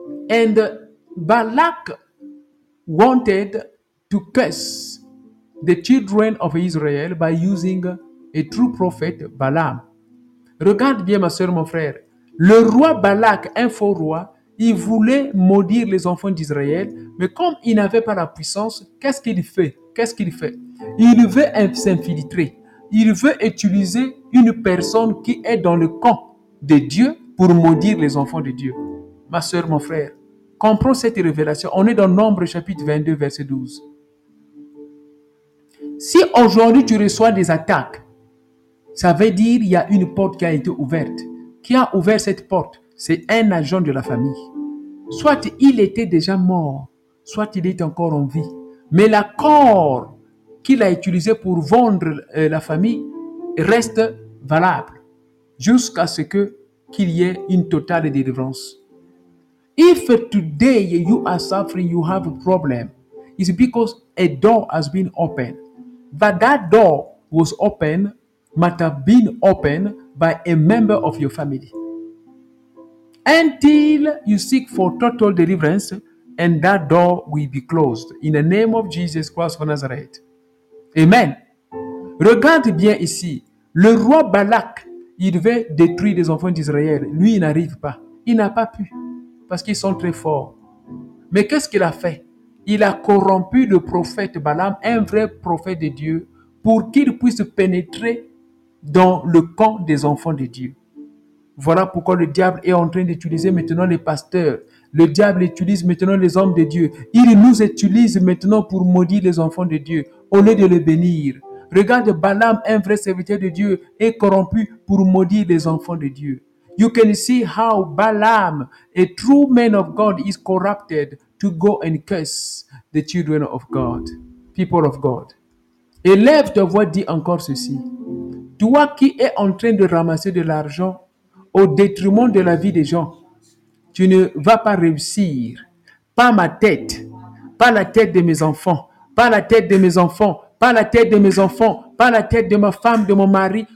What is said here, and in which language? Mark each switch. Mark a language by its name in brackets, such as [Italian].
[English] And Balak wanted to curse the children of Israel by using a true prophet, Balaam. [French] Regarde bien, ma soeur, mon frère. Le roi Balak, un faux roi, il voulait maudire les enfants d'Israël, mais comme il n'avait pas la puissance, qu'est-ce qu'il fait? Qu'est-ce qu'il fait? Il veut s'infiltrer. Il veut utiliser une personne qui est dans le camp de Dieu pour maudire les enfants de Dieu. Ma soeur, mon frère, comprends cette révélation. On est dans Nombre chapitre 22, verset 12. Si aujourd'hui tu reçois des attaques, ça veut dire qu'il y a une porte qui a été ouverte. Qui a ouvert cette porte? C'est un agent de la famille. Soit il était déjà mort, soit il est encore en vie. Mais l'accord qu'il a utilisé pour vendre la famille reste valable jusqu'à ce qu'il y ait une totale délivrance. [English] If today you are suffering, you have a problem, it's because a door has been opened. But that door was opened, might have been opened by a member of your family. Until you seek for total deliverance, and that door will be closed. In the name of Jesus Christ of Nazareth. [French] Amen. Regarde bien ici. Le roi Balak, il devait détruire les enfants d'Israël. Lui, il n'arrive pas. Il n'a pas pu. Parce qu'ils sont très forts. Mais qu'est-ce qu'il a fait? Il a corrompu le prophète Balaam, un vrai prophète de Dieu, pour qu'il puisse pénétrer dans le camp des enfants de Dieu. Voilà pourquoi le diable est en train d'utiliser maintenant les pasteurs. Le diable utilise maintenant les hommes de Dieu. Il nous utilise maintenant pour maudire les enfants de Dieu, au lieu de les bénir. Regarde Balaam, un vrai serviteur de Dieu, est corrompu pour maudire les enfants de Dieu. [English] You can see how Balaam, a true man of God, is corrupted to go and curse the children of God, people of God. [French] Élève ta voix, dit encore ceci. Toi qui es en train de ramasser de l'argent au détriment de la vie des gens, tu ne vas pas réussir. Pas ma tête, pas la tête de mes enfants, pas la tête de mes enfants, pas la tête de mes enfants, pas la tête de ma femme, de mon mari.